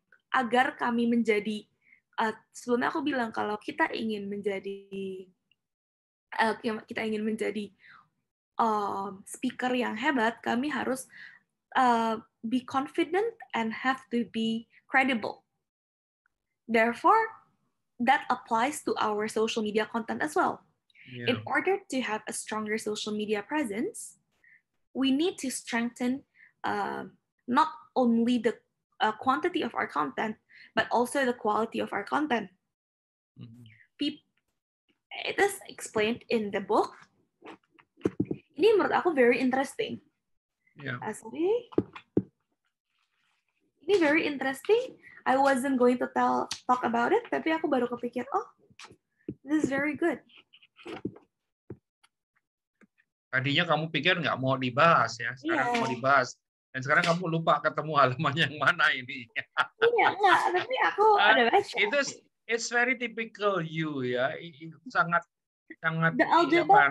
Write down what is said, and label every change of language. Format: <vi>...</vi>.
<id>Agar kami menjadi, sebelumnya aku bilang kalau kita ingin menjadi speaker yang hebat, kami harus</id> <en>be confident and have to be credible. Therefore, that applies to our social media content as well. Yeah. In order to have a stronger social media presence, we need to strengthen not only the quantity of our content, but also the quality of our content. It is explained in the book.</en> <id>Ini menurut aku</id> <en>very interesting. Ini very interesting. I wasn't going to talk about it,</en> <id>tapi aku baru kepikir,</id> <en>oh, this is very good.</en> <id>Tadinya kamu pikir nggak mau dibahas ya, sekarang mau dibahas. Dan sekarang kamu lupa ketemu halaman yang mana ini. Iya, enggak. Tapi aku ada baca.</id> <en>It's very typical you ya.</en> <id>Sangat sangat</id> <en>algebra,</en>